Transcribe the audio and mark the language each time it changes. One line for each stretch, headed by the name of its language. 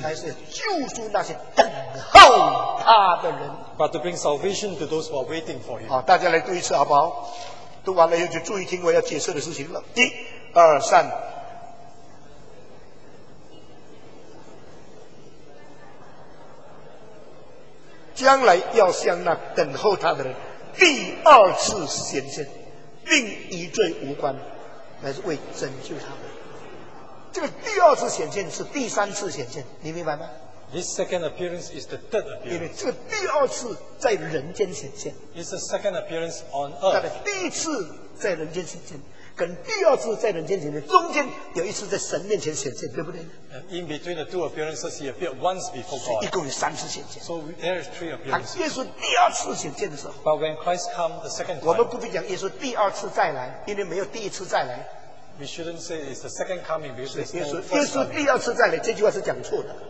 Chinese: 乃是救赎那些等候他的人。
English: But to bring salvation to those who are waiting for him.
Chinese: 好，大家来读一次好不好？读完了以后就注意听我要解释的事情了。一、二、三。将来要向那等候他的人第二次显现，并与罪无关，乃是为拯救他们。这个第二次显现是第三次显现，你明白吗？
English: This second appearance is the third appearance.
Chinese: 因为这个第二次在人间显现。
English: It's the second appearance on earth.
Chinese: 他的第一次在人间显现跟第二次在人间显现中间有一次在神面前显现，对不对？
English: In between the two appearances, he appeared once before God.
Chinese: 一共有三次显现。
English: So there are three appearances.
Chinese: 耶稣第二次显现的时候。
English: But when Christ comes the second time,
Chinese: 我们不必讲耶稣第二次再来，因为没有第一次再来。
English: We shouldn't say it's the second coming because it's the first coming.
Chinese: 耶稣第二次再来这句话是讲错的。